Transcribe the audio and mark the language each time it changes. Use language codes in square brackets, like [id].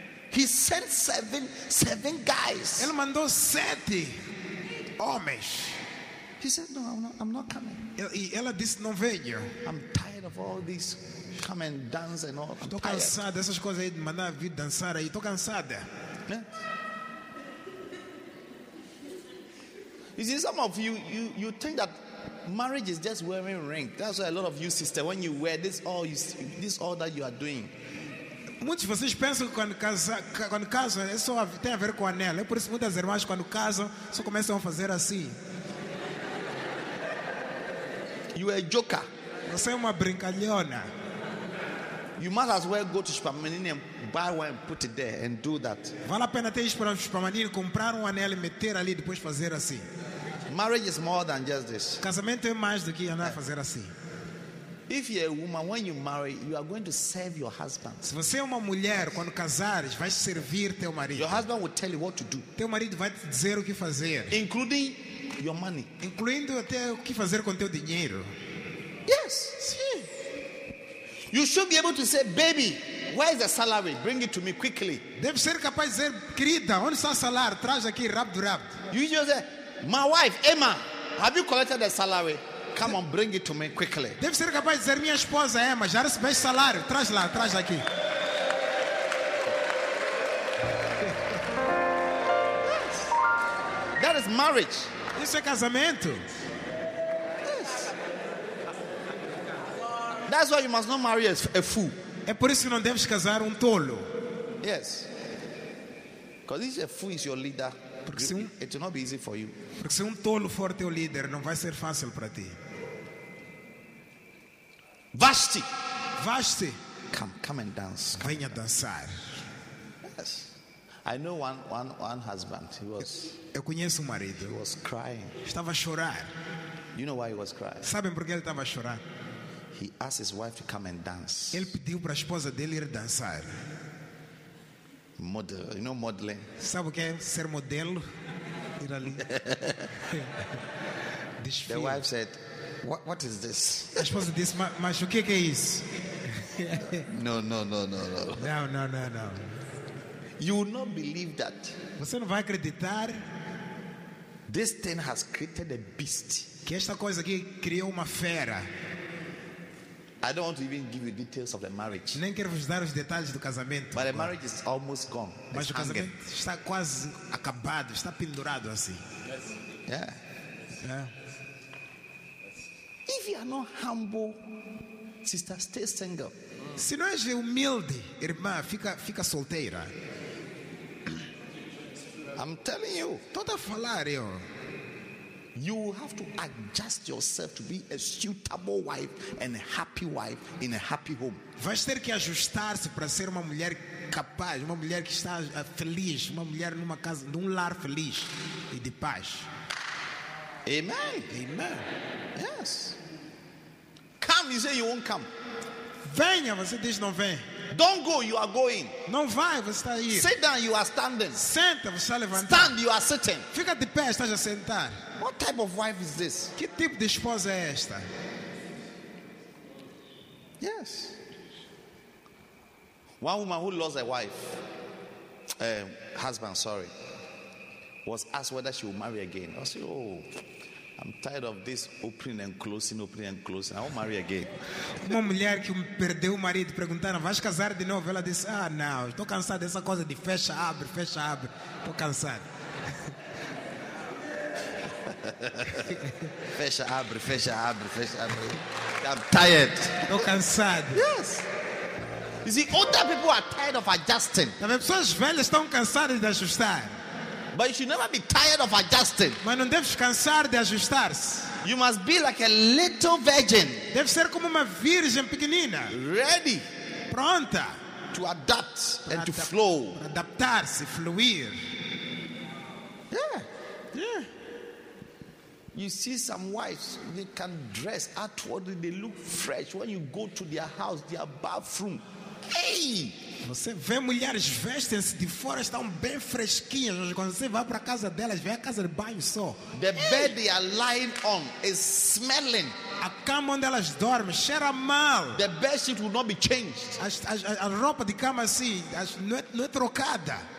[en] He sent seven guys. [pt] Ele mandou sete homens. [en] He said, no, I'm not coming. [pt] Ela disse, não venho. [en] I'm tired of all this. Come and dance and all. [pt] Estou cansada dessas coisas aí de mandar vir dançar aí. Estou cansada. [en] Yeah. You see, some of you think that marriage is just wearing ring. That's why a lot of you, sister, when you wear this all that you are doing. [pt] Muitos de vocês pensam que quando casam, é só tem a ver com anel. É por isso que muitas irmãs quando casam só começam a fazer assim. [en] You are a joker. [pt] Você é uma brincalhona. [en] You might as well go to Supermanini and buy one and put it there and do that. [pt] Vale a pena ter ido para o Supermanini, comprar um anel e meter ali e depois fazer assim. [en] Marriage is more than just this. [pt] Casamento é mais do que andar a fazer assim. [en] If you're a woman, when you marry, you are going to serve your husband. [pt] Se você é uma mulher, quando casares, vais servir teu marido. [en] Your husband will tell you what to do. [pt] Teu marido vai te dizer o que fazer. [en] Including your money. [pt] Incluindo até o que fazer com teu dinheiro. [en] Yes. [pt] Sim. [en] You should be able to say, baby, where is the salary? Bring it to me quickly. [pt] Deve ser capaz de dizer, querida, onde está o salário? Traz aqui, rápido. [en] You just say, my wife, Emma, have you collected the salary? Come on, bring it to me quickly. [pt] Deve ser capaz de dizer, minha esposa, Emma, já recebeste o salário? Traz lá, traz aqui. [en] Yes. That is marriage. [pt] Isso é casamento. [en] That's why you must not marry a fool. [pt] É por isso que não deves casar tolo. [en] Yes. Because if a fool is your leader, [pt] porque se [en] it will not be easy for you. [pt] Porque se tolo for teu líder, não vai ser fácil para ti. [en] Vashti. [pt] Vashti. [en] Come and dance. Come [pt] venha dançar. [en] Yes. I know one husband. He was. [pt] Eu conheço marido. [en] He was crying. [pt] Estava a chorar. [en] You know why he was crying? [pt] Sabem por que ele estava a chorar? [en] He asked his wife to come and dance. [pt] Ele pediu para a esposa dele ir dançar. [en] Model, you know modeling. [pt] Sabe o que é ser modelo? Ir ali. [en] The wife said, "What is this?" [pt] A esposa disse, mas o que é isso? [en] No. No. You will not believe that. [pt] Você não vai acreditar. [en] This thing has created a beast. [pt] Que esta coisa aqui criou uma fera. [en] I don't want to even give you details of the marriage. [pt] Nem quero vos dar os detalhes do casamento. [en] But the marriage is almost gone. [pt] Mas o casamento [en] hanging. [pt] Está quase acabado, está pendurado assim. [en] Yes. Yeah. Yes. If you are not humble, sister, stay single. [pt] Se não és humilde, irmã, fica solteira. [en] I'm telling you. [pt] Toda falar eu. [en] You have to adjust yourself to be a suitable wife and a happy wife in a happy home. [pt] Vais ter que ajustar-se para ser uma mulher capaz, uma mulher que está feliz, uma mulher numa casa, num lar feliz e de paz. [en] Amen. [pt] Amen. [en] Yes. Come, you say you won't come. [pt] Venha, você diz não vem. [en] Don't go, you are going. [pt] Não vai, você está aí. [en] Sit down, you are standing. [pt] Senta, você está levantando. [en] Stand, you are sitting. [pt] Fica de pé, estás a sentar. [en] What type of wife is this? [pt] Que tipo de esposa é esta? [en] Yes. One woman who lost a wife, husband, was asked whether she will marry again. I said, oh, I'm tired of this opening and closing, opening and closing. I won't marry again. [pt] Uma mulher que perdeu o marido perguntaram, vais casar de novo? Ela disse, ah, não, estou cansada dessa coisa de fecha, abre, fecha, abre. Estou cansada. Fecha, abre, fecha, abre, fecha, abre. [en] I'm tired. [pt] Estou cansado. [en] Yes. You see, older people are tired of adjusting. [pt] As pessoas velhas estão cansadas de ajustar. [en] But you should never be tired of adjusting. [pt] Mas não deves cansar de ajustar-se. [en] You must be like a little virgin. [pt] Deve ser como uma virgem pequenina. [en] Ready. [pt] Pronta. [en] To adapt and to flow. [pt] Adaptar-se, fluir. [en] Yeah. Yeah. You see some wives, they can dress outwardly, they look fresh. When you go to their house, their bathroom. Hey! [pt] Você vê mulheres vestem-se de fora, estão bem fresquinhas. Quando você vai para a casa delas, vem a casa de banho só. [en] The bed they are lying on is smelling. [pt] A cama onde elas dormem cheira mal. [en] The bed sheet will not be changed. [pt] A roupa de cama assim, não é trocada.